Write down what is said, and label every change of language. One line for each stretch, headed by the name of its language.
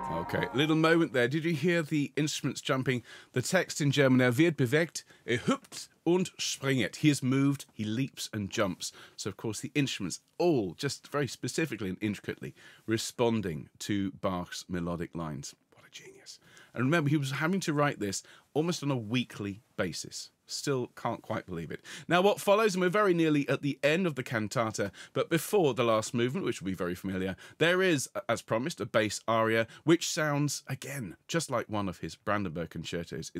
English: Okay, little moment there. Did you hear the instruments jumping? The text in German,
German: er wird bewegt, er hüpft und springt.
English: He is moved, he leaps and jumps. So, of course, the instruments all just very specifically and intricately responding to Bach's melodic lines. What a genius. And remember, he was having to write this almost on a weekly basis. Still can't quite believe it. Now, what follows, and we're very nearly at the end of the cantata, but before the last movement, which will be very familiar, there is, as promised, a bass aria, which sounds, again, just like one of his Brandenburg concertos.